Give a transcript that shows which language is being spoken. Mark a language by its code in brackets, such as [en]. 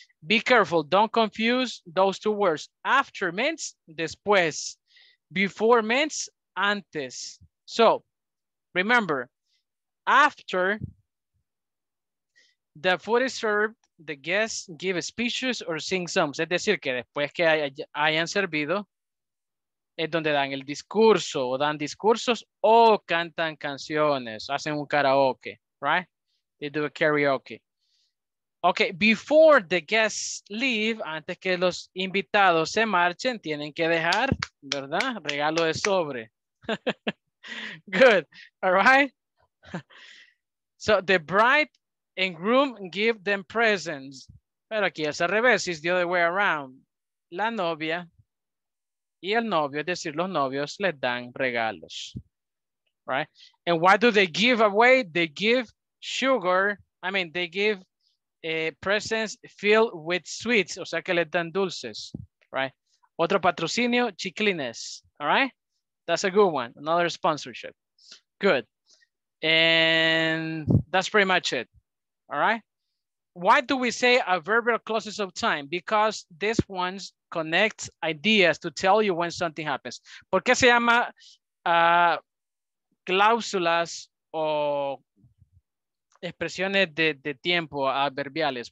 [en] Be careful, don't confuse those two words. After means después. Before means antes. So remember, after the food is served, the guests give speeches or sing songs. [es] Es decir, que después que hayan servido, es donde dan el discurso, o dan discursos, o cantan canciones, hacen un karaoke, right? [en] They do a karaoke. Okay, before the guests leave, [es] antes que los invitados se marchen, tienen que dejar, ¿verdad? Regalo de sobre. [en] Good, all right? So the bride and groom give them presents. [es] Pero aquí es al revés, [en] it's the other way around. [es] La novia y el novio, es decir, los novios, les dan regalos, right? [en] And what do they give away? They give sugar, I mean, they give presents filled with sweets, [es] o sea que le dan dulces, [en] right? [es] Otro patrocinio, chiclines, [en] all right? That's a good one, another sponsorship. Good. And that's pretty much it, all right? Why do we say adverbial clauses of time? Because these ones connect ideas to tell you when something happens. [es] ¿Por qué se llama cláusulas o expresiones de tiempo adverbiales?